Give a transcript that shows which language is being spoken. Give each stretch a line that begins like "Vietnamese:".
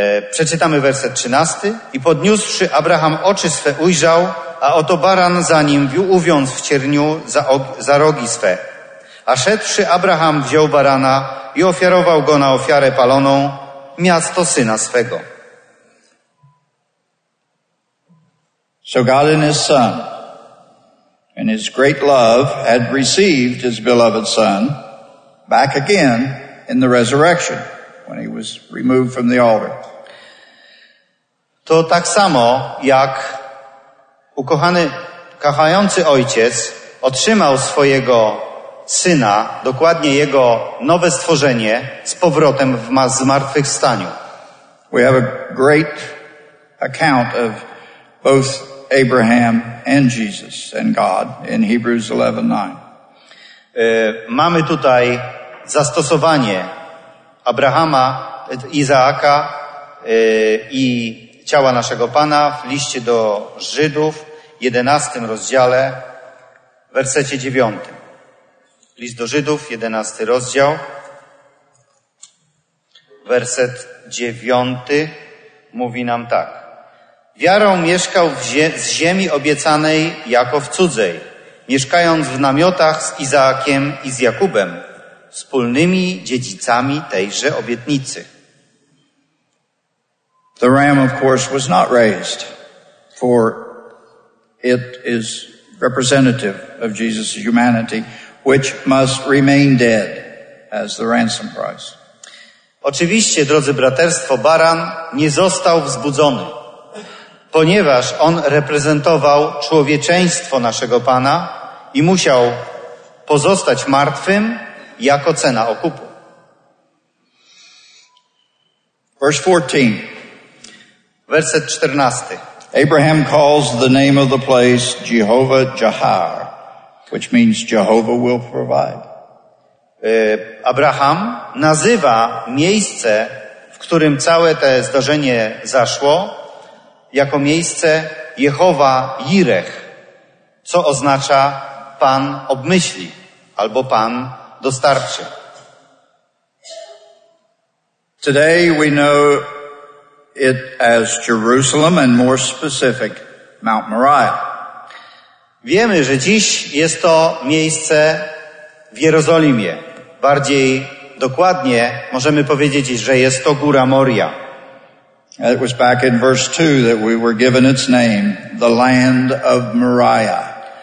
Polish: Przeczytamy werset 13. I podniósłszy Abraham oczy swe, ujrzał, a oto baran za nim uwiąz w cierniu za rogi swe. A szedłszy Abraham wziął barana i ofiarował go na ofiarę paloną, miasto syna swego.
English: So God in his son, in his great love, had received his beloved son back again in the resurrection, when he was removed from the altar.
Polish: To tak samo, jak ukochany, kochający ojciec otrzymał swojego syna, dokładnie jego nowe stworzenie, z powrotem w zmartwychwstaniu.
English: We have a great account of both Abraham and Jesus and God in Hebrews 11:9.
Polish: Mamy tutaj zastosowanie Abrahama, Izaaka i ciała naszego Pana w liście do Żydów, 11 rozdziale, w wersecie 9. List do Żydów, 11 rozdział, werset 9 mówi nam tak. Wiarą mieszkał z ziemi obiecanej jako w cudzej, mieszkając w namiotach z Izaakiem i z Jakubem, wspólnymi dziedzicami tejże obietnicy.
English: The ram, of course, was not raised, for it is representative of Jesus' humanity, which must remain dead as the ransom price.
Polish: Oczywiście, drodzy braterstwo, baran nie został wzbudzony, ponieważ on reprezentował człowieczeństwo naszego Pana i musiał pozostać martwym jako cena okupu.
English: Verse 14.
Polish: Werset 14.
English: Abraham calls the name of the place Jehovah Jahar, which means Jehovah will provide.
Polish: Abraham nazywa miejsce, w którym całe to zdarzenie zaszło, jako miejsce Jehowa Jireh, co oznacza Pan obmyśli albo Pan dostarczy.
English: Today we know it as Jerusalem and more specific Mount Moriah.
Polish: Wiemy, że dziś jest to miejsce w Jerozolimie. Bardziej dokładnie możemy powiedzieć, że jest to Góra Moria.
English: It was back in verse 2 that we were given its name, the land of Moriah.